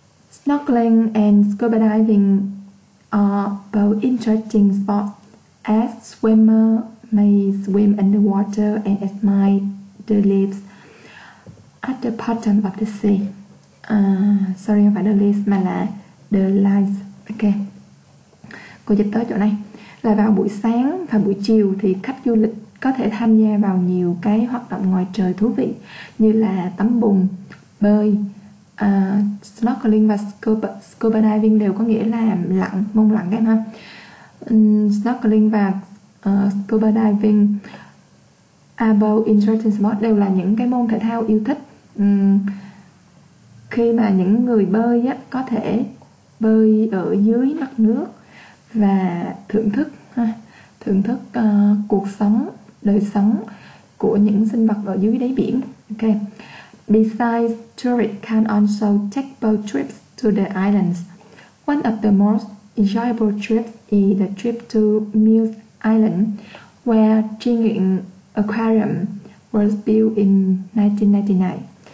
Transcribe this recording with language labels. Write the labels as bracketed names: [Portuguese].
[English] Snorkeling and scuba diving are both interesting sports, as swimmer may swim underwater and admire the leaves at the bottom of the sea. [Vietnamese] Sorry, không phải [English] the leaves [Vietnamese] mà là [English] the lights. [Vietnamese] Ok, cô dịch tới chỗ này là vào buổi sáng và buổi chiều thì khách du lịch có thể tham gia vào nhiều cái hoạt động ngoài trời thú vị như là tắm bùn, bơi, snorkeling và scuba diving đều có nghĩa là lặn, mông lặn các em ha. [English] Snorkeling và scuba diving are both interesting sports, [Vietnamese] đều là những cái môn thể thao yêu thích. Khi mà những người bơi á, có thể bơi ở dưới mặt nước và thưởng thức ha, thưởng thức cuộc sống, đời sống của những sinh vật ở dưới đáy biển. Ok. [English] Besides, tourists can also take boat trips to the islands. One of the most enjoyable trips is the trip to Muse Island, where Jingying Aquarium was built in 1999.